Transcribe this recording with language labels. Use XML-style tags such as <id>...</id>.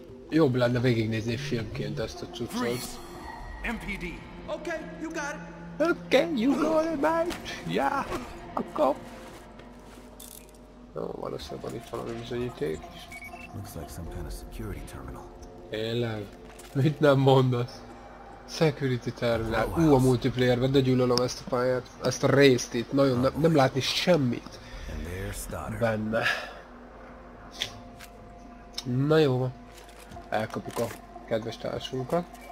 <hu>Jobb lenne végignézni filmként ezt a cuccot.</hu> <en>MPD. Okay, you got it. Okay, you got it, mate.</en> <hu>Yeah, akkor... Jó, valószínűleg van itt valami bizonyíték is.</hu> <en>Looks like some kind of security terminal.</en> <hu>Élem. Mit nem mondasz? Security terminál. A multiplayerben, de gyűlölöm ezt a pályát, ezt a részt itt. Nagyon nem látni semmit benne. Na jó, elkapjuk a kedves társunkat.</hu>